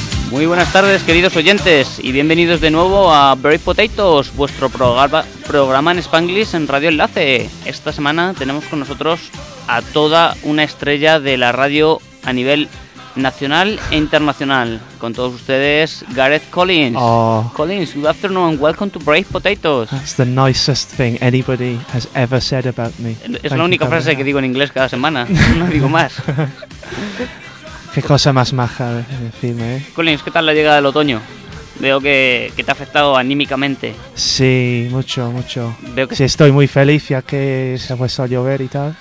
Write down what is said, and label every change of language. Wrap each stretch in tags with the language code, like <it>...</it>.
<es>Muy buenas tardes, queridos oyentes, y bienvenidos de nuevo a Baked Potatoes, vuestro programa en Spanglish en Radio Enlace. Esta semana tenemos con nosotros a toda una estrella de la radio a nivel nacional e internacional. Con todos ustedes, Gareth Collins. Oh.</es> <en>Collins, good afternoon and welcome to Baked Potatoes. That's the nicest thing anybody has ever said about me.</en> <es>Es la única frase que digo en inglés cada semana, no digo más. Qué cosa más maja decirme, ¿eh? Collins, ¿qué tal la llegada del otoño? Veo que te ha afectado anímicamente. Sí, mucho, mucho. Veo que sí, estoy muy feliz ya que se ha puesto a llover y tal.</es>